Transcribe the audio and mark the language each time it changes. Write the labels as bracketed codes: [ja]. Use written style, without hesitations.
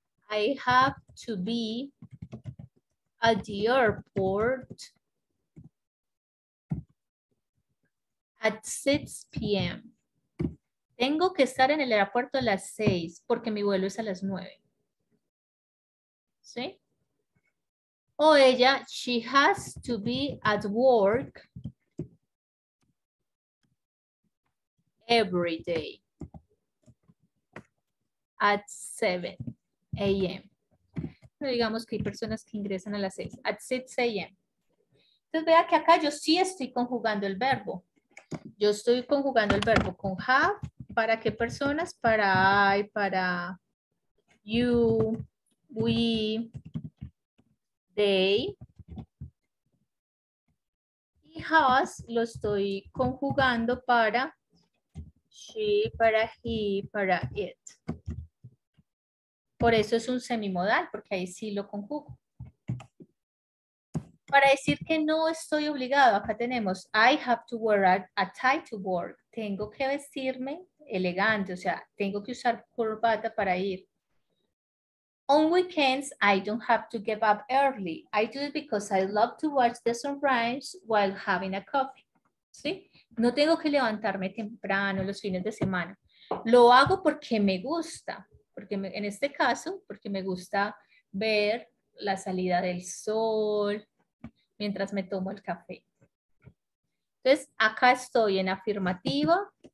[en] I have to be at the airport at 6 p.m. [es] Tengo que estar en el aeropuerto a las 6 porque mi vuelo es a las 9. ¿Sí? O ella, [en] she has to be at work every day at 7 a.m. [es] Pero digamos que hay personas que ingresan a las 6, [en] at 6 a.m. [es] Entonces vea que acá yo sí estoy conjugando el verbo. Yo estoy conjugando el verbo con have. ¿Para qué personas? Para I, para you, we, they. Y has lo estoy conjugando para she, para he, para it. Por eso es un semimodal, porque ahí sí lo conjugo. Para decir que no estoy obligado, acá tenemos [en] I have to wear a tie to work. [es] Tengo que vestirme elegante, o sea, tengo que usar corbata para ir. [en] On weekends, I don't have to get up early. I do it because I love to watch the sunrise while having a coffee. [es] ¿Sí? No tengo que levantarme temprano los fines de semana. Lo hago porque me gusta, en este caso, porque me gusta ver la salida del sol mientras me tomo el café. Entonces, acá estoy en afirmativa.